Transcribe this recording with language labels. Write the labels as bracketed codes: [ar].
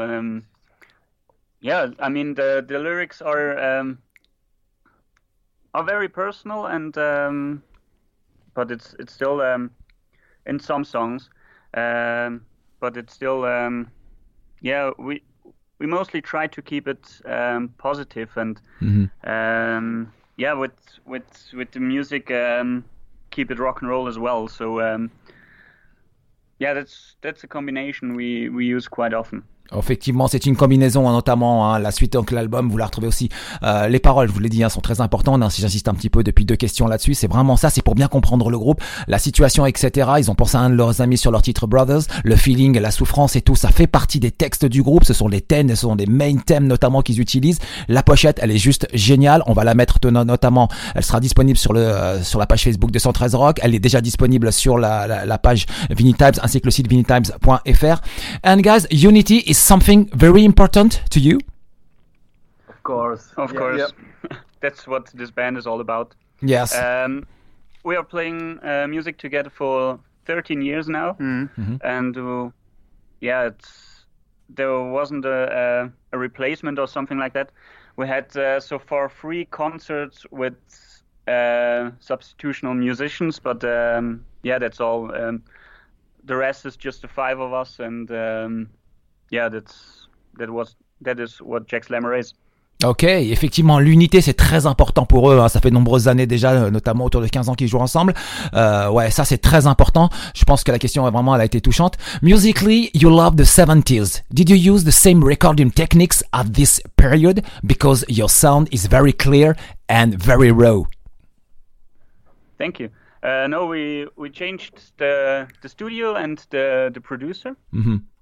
[en] I mean the lyrics are very personal, and but it's still in some songs, but it's still we mostly try to keep it positive, and mm-hmm. With the music keep it rock and roll as well. So that's a combination we use quite often. [fr] Effectivement, c'est une combinaison, notamment la suite de l'album, vous la retrouvez aussi. Les paroles, je vous l'ai dit, sont très importantes, si j'insiste un petit peu depuis deux questions là-dessus. C'est vraiment ça, c'est pour bien comprendre le groupe, la situation, etc. Ils ont pensé à un de leurs amis sur leur titre Brothers. Le feeling, la souffrance et tout, ça fait partie des textes du groupe. Ce sont des thèmes, ce sont des main thèmes notamment qu'ils utilisent. La pochette, elle est juste géniale. On va la mettre notamment, elle sera disponible sur la page Facebook de 113 Rock. Elle est déjà disponible sur la page Vinitimes ainsi que le site vinitimes.fr. [en] And guys, Unity is something very important to you? Of course. Yeah. That's what this band is all about. Yes. We are playing music together for 13 years now, mm-hmm. And there wasn't a replacement or something like that. We had so far 3 concerts with substitutional musicians, but that's all. The rest is just the 5 of us, and that is what Jack Slammer is. [fr] Ok, effectivement, l'unité, c'est très important pour eux. Ça fait de nombreuses années déjà, notamment autour de 15 ans qu'ils jouent ensemble. Ouais, ça, c'est très important. Je pense que la question, vraiment, elle a été touchante. [en] Musically, you love the 70s. Did you use the same recording techniques at this period? Because your sound is very clear and very raw. Thank you. No, we changed the studio and the producer. Mm-hmm.